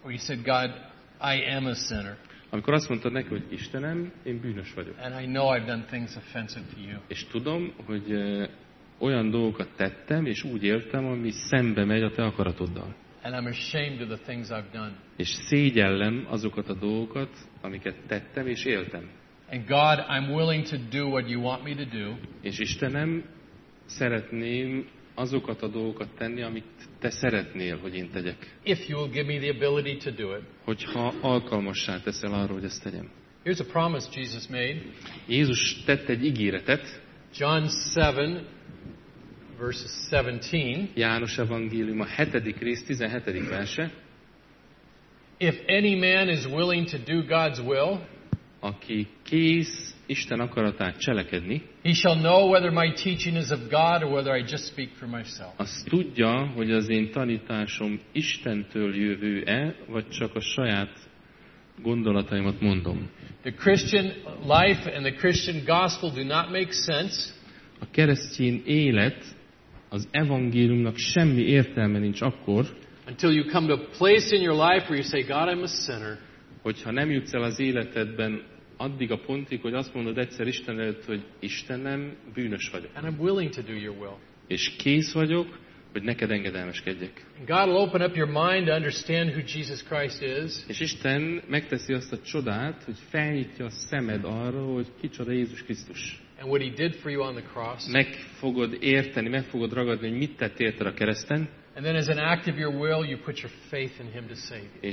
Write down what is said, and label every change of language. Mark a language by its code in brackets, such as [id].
[en] Or you said, God, I am a sinner. [hu] Amikor azt mondtad neki, hogy Istenem, én bűnös vagyok. [en] And I know I've done things offensive to you. [hu] És tudom, hogy olyan dolgokat tettem, és úgy éltem, ami szembe megy a te akaratoddal. [en] And I'm ashamed of the things I've done. [hu] És szégyellem azokat a dolgokat, amiket tettem és éltem. [en] And God, I'm willing to do what you want me to do. [hu] És Istenem, szeretném azokat a dolgokat tenni, amit te szeretnél, hogy én tegyek. [en] If you will give me the ability to do it. [hu] Hogyha alkalmassá teszel arra, hogy ezt tegyem. [en] Here's a promise Jesus made. [hu] Jézus tett egy ígéretet. [en] John 7, verse 17. [hu] János evangéliuma 7. rész 17. verse. [en] If any man is willing to do God's will, [hu] aki kész Isten akaratát cselekedni, [en] he shall know whether my teaching is of God or whether I just speak for myself. [hu] Azt tudja, hogy az én tanításom Istentől jövő-e, vagy csak a saját gondolataimat mondom. [en] The Christian life and the Christian gospel do not make sense. [hu] A keresztény élet, az evangéliumnak semmi értelme nincs akkor, [en] until you come to a place in your life where you say, God, I'm a sinner. [hu] Hogyha nem jutsz el az életedben addig a pontig, hogy azt mondod egyszer Isten előtt, hogy Istenem, bűnös vagyok. [en] And I'm willing to do your will. [hu] És kész vagyok, hogy neked engedelmeskedjek. [en] God will open up your mind to understand who Jesus Christ is. [hu] És Isten megteszi azt a csodát, hogy felnyitja a szemed arra, hogy kicsoda Jézus Krisztus. [en] And what he did for you on the cross. [hu] Meg fogod érteni, meg fogod ragadni, hogy mit tett érted a kereszten. [en] And then as an act of your will, you put your faith in him to save you.